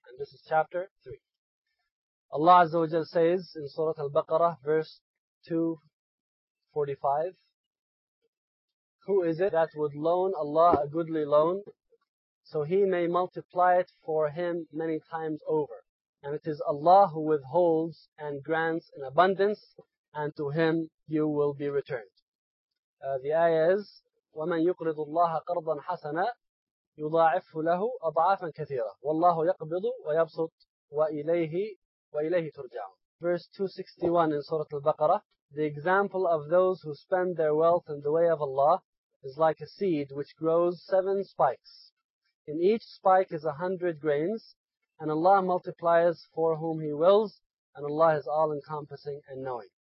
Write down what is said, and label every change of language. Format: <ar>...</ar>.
<en>And this is chapter 3. Allah Azza wa Jal says in Surah Al-Baqarah, verse 245, who is it that would loan Allah a goodly loan so He may multiply it for him many times over? And it is Allah who withholds and grants in abundance, and to Him you will be returned. The ayah is,</en> <ar>وَمَنْ يُقْرِضُ اللَّهَ قَرْضًا حَسَنًا يُضَاعِفْهُ لَهُ أَضْعَافًا كَثِيرًا وَاللَّهُ يَقْبِضُ وَيَبْسُطُ وَإِلَيْهِ وَإِلَيْهِ تُرْجَعُونَ.</ar> <en>Verse 261 in Surah Al-Baqarah, the example of those who spend their wealth in the way of Allah is like a seed which grows 7 spikes. In each spike is 100 grains, and Allah multiplies for whom He wills, and Allah is all-encompassing and knowing.</en>